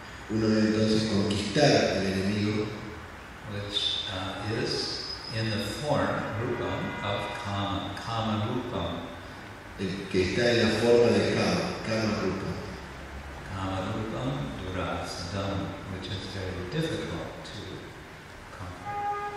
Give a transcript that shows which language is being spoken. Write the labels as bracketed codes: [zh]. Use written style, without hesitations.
[es] Uno debe entonces conquistar al enemigo. [en] Which is in the form, rupam, of kama, kama rupam. [es] El que está en la forma de kama, kama rupam. [sa] Kama rupam durasadam, [en] which is very difficult to conquer.